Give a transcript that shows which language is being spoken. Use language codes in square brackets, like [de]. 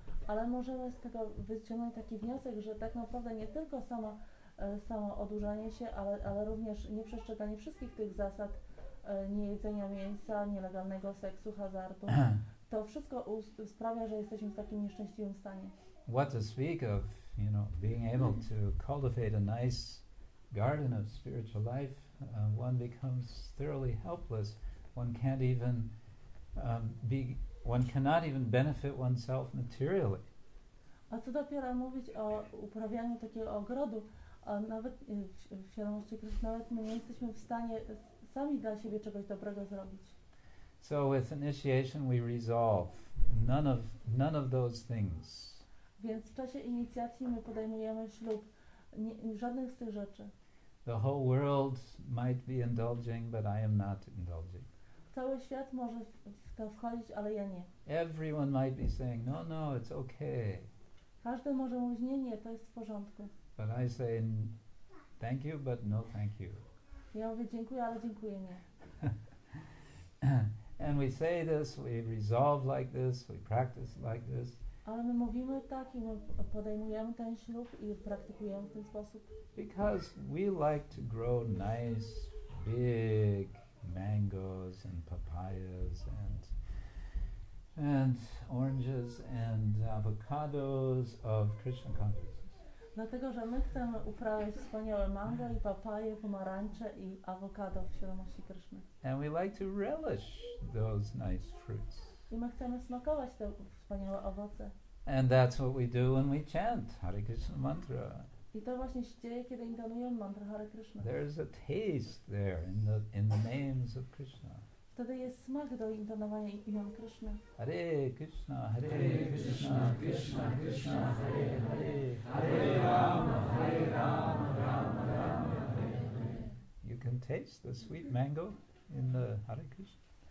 [pl] Ale możemy z tego wyciągnąć taki wniosek, że tak naprawdę nie tylko samo odurzanie się, ale również nieprzestrzeganie wszystkich tych zasad niejedzenia mięsa, nielegalnego seksu, hazardu, to wszystko sprawia, że jesteśmy w takim nieszczęśliwym stanie. [en] What to speak of, you know, being able to cultivate a nice garden of spiritual life, one becomes thoroughly helpless. One can't even one cannot even benefit oneself materially. [pl] A co dopiero mówić o uprawianiu takiego ogrodu? A nawet w świadomości Kryszny, nawet my nie jesteśmy w stanie sami dla siebie czegoś dobrego zrobić. [en] So with initiation we resolve none of those things. [pl] Więc w czasie inicjacji my podejmujemy ślub żadnych z tych rzeczy. [en] The whole world might be indulging, but I am not indulging. [pl] Cały świat może w to wchodzić, ale ja nie. [en] Everyone might be saying, no, it's okay. [pl] Każdy może mówić, nie, to jest w porządku. [en] But I say, thank you, but no thank you. [pl] Ja mówię, dziękuję, ale dziękuję nie. [en] And we say this, we resolve like this, we practice like this. [pl] Ale my mówimy tak i my podejmujemy ten ślub i praktykujemy w ten sposób. [en] Because we like to grow nice, big mangoes and papayas and oranges and avocados of Krishna consciousness. [pl] Dlatego, że my chcemy uprawiać wspaniałe mango i papaje, pomarańcze i awokado w świadomości Kryszny. [en] And we like to relish those nice fruits. [pl] I my chcemy smakować te wspaniałe owoce. [en] And that's what we do when we chant Hare Krishna mantra. [pl] I to właśnie się dzieje, kiedy intonujemy mantra Hare Krishna. [en] There's a taste there in the names of Krishna. [pl] Wtedy jest smak do intonowania imion Krishna. [sa] Hare Krishna, Hare Krishna, Krishna Krishna, Hare Hare, Hare Rama, Hare Rama, Rama Rama, Hare Hare. [en] You can taste the sweet mango in the Hare Krishna.